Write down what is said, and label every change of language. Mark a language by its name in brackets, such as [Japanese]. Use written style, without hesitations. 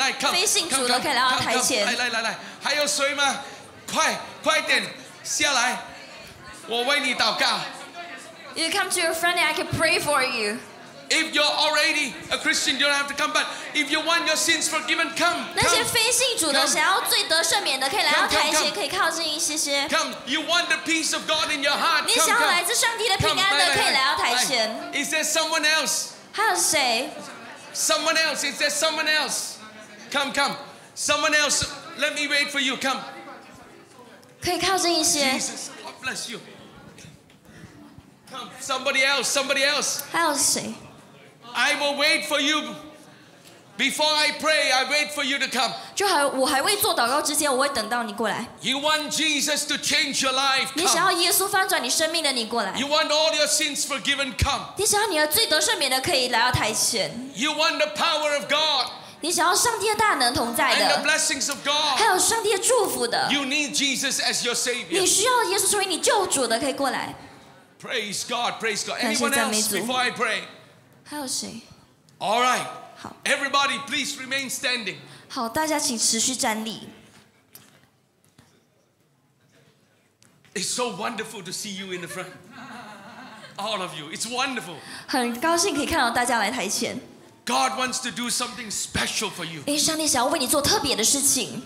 [Chinese] 非信主的可以来到台前。来, 还有谁吗? 快, 快点, 下来, 我为你祷告。 [English] You come to your friend and I can pray for you. If you're already a Christian, you don't have to come. But if you want your sins forgiven, come. Come, you want the peace of God in your heart. Come. Is there someone else? [Chinese] 还有谁? [English] Someone else, is there someone else? Come. Someone else, let me wait for you. Come. Jesus, God bless you. Come, somebody else. [Chinese] 还有谁? [English] I will wait for you. Before I pray, I wait for you to come. [Chinese] 就还我还未做祷告之前，我会等到你过来。 [English] You want Jesus to change your life? Come. [Chinese] 你想要耶稣翻转你生命的，你过来。 [English] You want all your sins forgiven? Come. [Chinese] 你想要你的罪得赦免的，可以来到台前。 [English] You want the power of God? [Chinese] 你想要上帝的大能同在的。 [English] And the blessings of God? [Chinese] 还有上帝的祝福的。 [English] You need Jesus as your Savior. [Chinese] 你需要耶稣成为你救主的，可以过来。 [English] Praise God. Anyone else before I pray? [Chinese] 还有谁? [English] All right. [Chinese] 好, [English] everybody, please remain standing. [Chinese] 好, 大家请持续站立。 [English] It's so wonderful to see you in the front. All of you. It's wonderful. [Chinese] 很高兴可以看到大家来台前。 God wants to do something special for you. 因为上帝想要为你做特别的事情。